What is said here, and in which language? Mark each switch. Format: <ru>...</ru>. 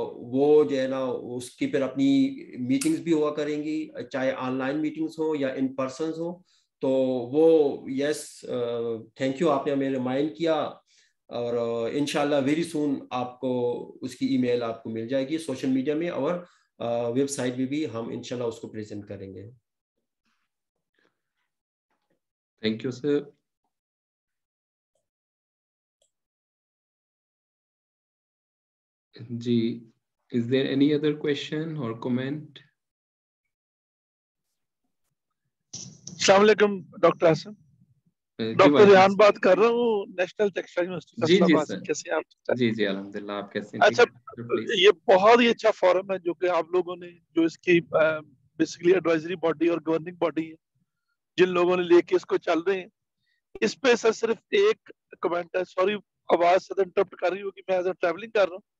<hi>वो जो है ना उसकी फिर अपनी मीटिंग्स भी हुआ करेंगी चाहे ऑनलाइन मीटिंग्स हो या इन पर्सन हो तो वो यस थैंक यू आपने हमें रिमाइंड किया और इंशाल्लाह वेरी सून आपको उसकी ईमेल आपको मिल जाएगी सोशल मीडिया में और वेबसाइट में भी हम इंशाल्लाह उसको प्रेजेंट करेंगे</hi> <en>Thank you sir जी, is there any other question or comment? Assalamualaikum, Dr. Hassan. Dr.</en> <hi>Rehan बात कर रहा हूँ, National Textile University. जी जी सर. कैसे आप? जी जी अल्हम्दुलिल्लाह आप कैसे? अच्छा, ये बहुत ही अच्छा फोरम है जो कि आप लोगों ने जो इसकी basically advisory body और governing body है, जिन लोगों ने लेके इसको चल रहे हैं, इस पे सर सिर्फ एक कमेंट है. Sorry, आवाज से इंटरप्ट कर रही हूँ कि मैं as a traveling कर रहा हूँ.</hi>